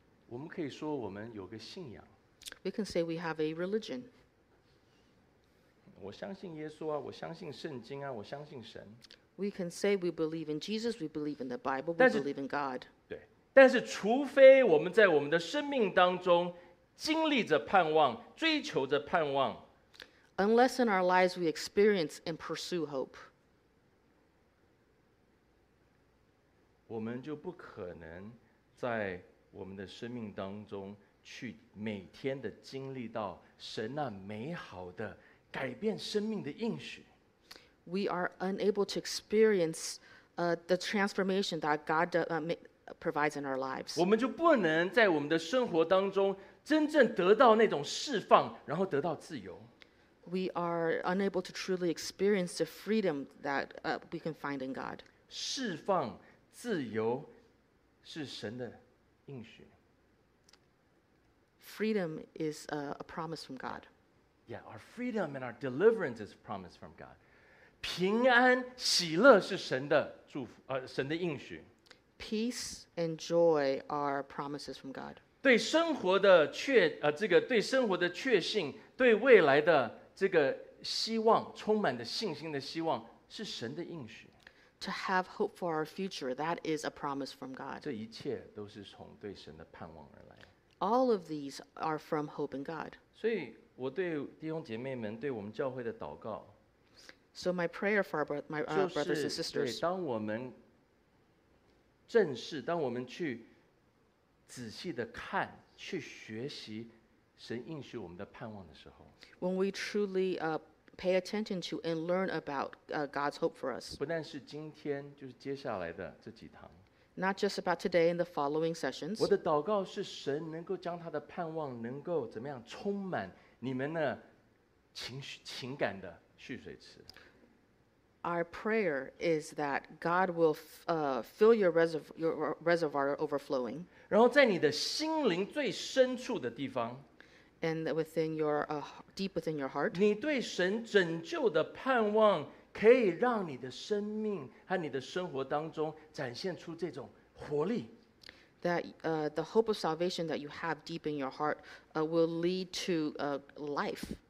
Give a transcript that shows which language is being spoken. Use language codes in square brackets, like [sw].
[zh] 我们可以说我们有个信仰。 [en] We can say we have a religion. [zh] 我相信耶稣啊，我相信圣经啊，我相信神。 [en] We can say we believe in Jesus, we believe in the Bible, we believe in God. [zh] 对，但是除非我们在我们的生命当中经历着盼望，追求着盼望。 [en] Unless in our lives we experience and pursue hope. [zh] 我们就不可能在我们的生命当中去每天的经历到神那美好的改变生命的应许。 [en] We are unable to experience the transformation that God provides in our lives. [zh] 我们就不能在我们的生活当中真正得到那种释放，然后得到自由。 [en] We are unable to truly experience the freedom that we can find in God. [zh] 释放、自由是神的应许。 [en] Freedom is a promise from God. Yeah, our freedom and our deliverance is a promise from God. [zh] 平安喜乐是神的祝福，神的应许。 [en] Peace and joy are promises from God. [zh] 对生活的确，这个对生活的确信，对未来的这个希望，充满的信心的希望，是神的应许。 [en] To have hope for our future, that is a promise from God. [zh] 这一切都是从对神的盼望而来。 [en] All of these are from hope in God. [zh] 所以我对弟兄姐妹们，对我们教会的祷告。 [en] So my prayer for my brothers and sisters. [zh] 对，当我们正视，当我们去仔细的看，去学习神应许我们的盼望的时候， [en] when we truly pay attention to and learn about God's hope for us. [zh] 不但是今天，就是接下来的这几堂。 [en] Not just about today and the following sessions. [zh] 我的祷告是神能够将他的盼望能够怎么样充满你们的情感的。 [en] Our prayer is that God will fill your reservoir overflowing. [zh] 然后在你的心灵最深处的地方， [en] and within your deep within your heart, [zh] 你对神拯救的盼望可以让你的生命和你的生活当中展现出这种活力。 [en] That the hope of salvation that you have deep in your heart will lead to life.